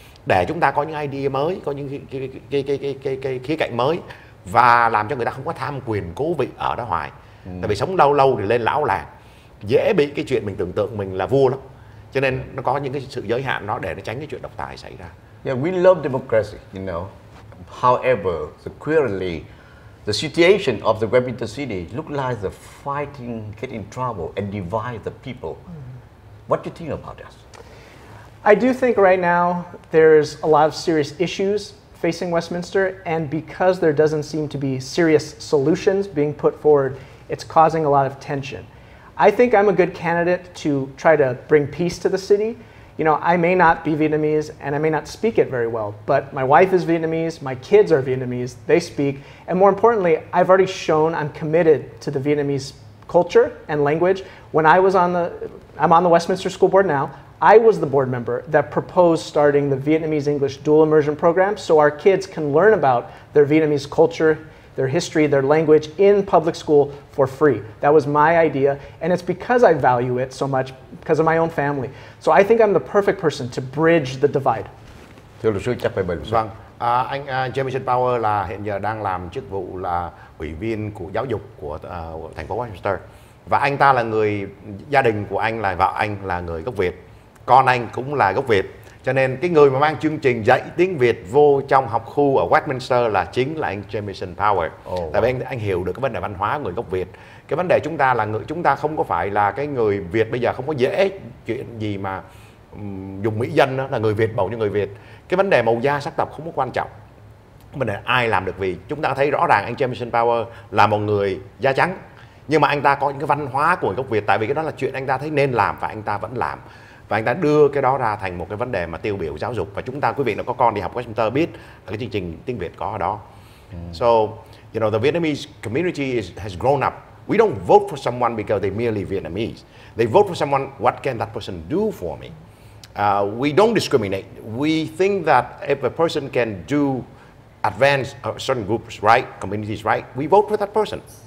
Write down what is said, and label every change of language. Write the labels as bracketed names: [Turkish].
[Vietnamese] Để chúng ta có những idea mới, có những cái khía cạnh mới, và làm cho người ta không có tham quyền cố vị ở đó hoài. Tại vì sống lâu lâu thì lên lão làng, dễ bị cái chuyện mình tưởng tượng mình là vua lắm. Cho nên nó có những cái sự giới hạn nó để nó tránh cái chuyện độc tài xảy ra. [English] Yeah, we love democracy, you know. However, currently, the situation of the Westminster City look like the fighting, get in trouble and divide the people. What do you think about that? I do think right now there's a lot of serious issues facing Westminster, and because there doesn't seem to be serious solutions being put forward, it's causing a lot of tension. I think I'm a good candidate to try to bring peace to the city. You know, I may not be Vietnamese and I may not speak it very well, but my wife is Vietnamese, my kids are Vietnamese, they speak. And more importantly, I've already shown I'm committed to the Vietnamese culture and language. When I was I'm on the Westminster School Board now, I was the board member that proposed starting the Vietnamese English dual immersion program so our kids can learn about their Vietnamese culture, their history, their language in public school for free. That was my idea, and it's because I value it so much because of my own family. So I think I'm the perfect person to bridge the divide. [Vietnamese] Thưa luật sư, chắc phải bởi luật sư. Vâng, anh Jamison Power là hiện giờ đang làm chức vụ là ủy viên của giáo dục của thành phố Westminster. Và anh ta là người, gia đình của anh là vợ anh là người gốc Việt, con anh cũng là gốc Việt. Cho nên cái người mà mang chương trình dạy tiếng Việt vô trong học khu ở Westminster là chính là anh Jamison Power. Tại vì anh hiểu được cái vấn đề văn hóa của người gốc Việt. Cái vấn đề chúng ta là chúng ta không có phải là cái người Việt bây giờ không có dễ chuyện gì mà dùng mỹ danh đó, là người Việt bầu cho người Việt. Cái vấn đề màu da sắc tộc không có quan trọng. Vấn đề ai làm được, vì chúng ta thấy rõ ràng anh Jamison Power là một người da trắng. Nhưng mà anh ta có những cái văn hóa của người gốc Việt, tại vì cái đó là chuyện anh ta thấy nên làm và anh ta vẫn làm. Và anh ta đưa cái đó ra thành một cái vấn đề mà tiêu biểu giáo dục. Và chúng ta, quý vị nó có con đi học Westminster biết là cái chương trình tiếng Việt có ở đó. [English] So, you know, the Vietnamese community has grown up. We don't vote for someone because they're merely Vietnamese. They vote for someone, what can that person do for me? We don't discriminate. We think that if a person can do advance a certain groups, right, communities, right, we vote for that person.